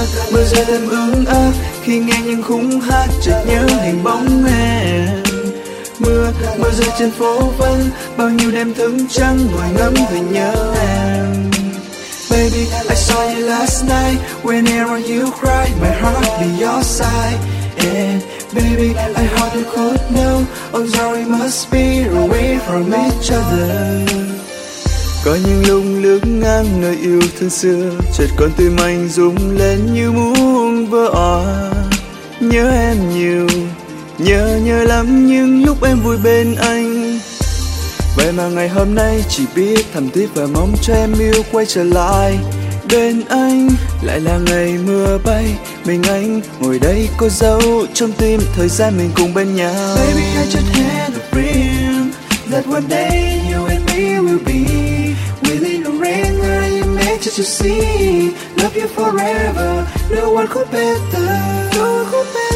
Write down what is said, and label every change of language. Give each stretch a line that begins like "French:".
Vietnamese: Mưa rơi đêm ấm áp khi nghe những khúc hát chợt nhớ hình bóng em. Mưa rơi trên phố vắng bao nhiêu đêm thức trắng ngồi ngắm về nhớ em.
English: Baby, I saw you last night. Whenever you cry, my heart be your side. And baby, I hope you could know. I'm sorry, must be away from each other.
Vietnamese: Có những lúc lướt ngang nơi yêu thương xưa, chợt con tim anh rung lên như muốn vỡ òa. Nhớ em nhiều, nhớ lắm những lúc em vui bên anh. Vậy mà ngày hôm nay chỉ biết thầm tiếc và mong cho em yêu quay trở lại bên anh. Lại là ngày mưa bay, mình anh ngồi đây có dấu trong tim thời gian mình cùng bên nhau.
English: Baby, I just had a dream that one day you and me will be within the rain I imagine to see. Love you forever, no one could better.